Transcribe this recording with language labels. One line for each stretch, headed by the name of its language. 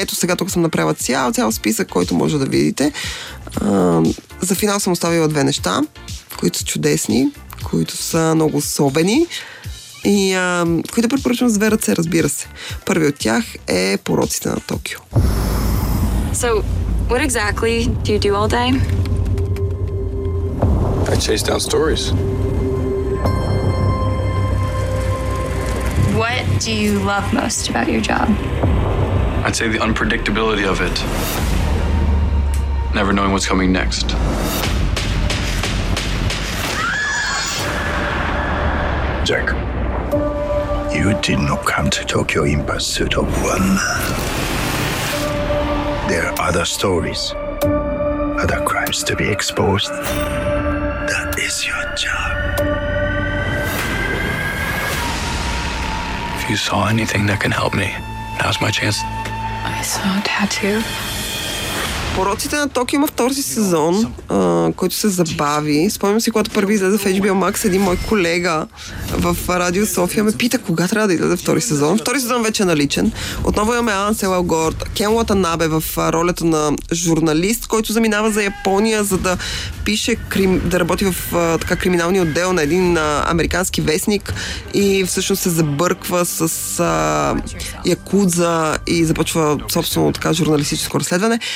Bulgarian: Ето сега тук съм направила цял списък, който може да видите. За финал съм оставила две неща, които са чудесни, които са много особени. И кой да препоръчвам с две ръце, разбира се. Първи от тях е Пороците на Токио.
English: So, what exactly do you do all day? I chase down stories. What do you love most about your job? I'd say the unpredictability of it. Never knowing what's coming next. Jack. You did not come to Tokyo in pursuit of one man. There are other stories, other crimes to be exposed. That is your job. If you saw anything that can help me, now's my chance. I saw a tattoo.
Bulgarian: Пороците на Токио има втори сезон, който се забави. Спомням си, когато първи излезе в HBO Max, един мой колега в Радио София ме пита кога трябва да излезе втори сезон. Втори сезон вече е наличен. Отново имаме Ансел Елгорд, Кен Уатанабе в ролята на журналист, който заминава за Япония, за да пише, да работи в така криминалния отдел на един американски вестник и всъщност се забърква с якудза и започва собствено така журналистическо разследване.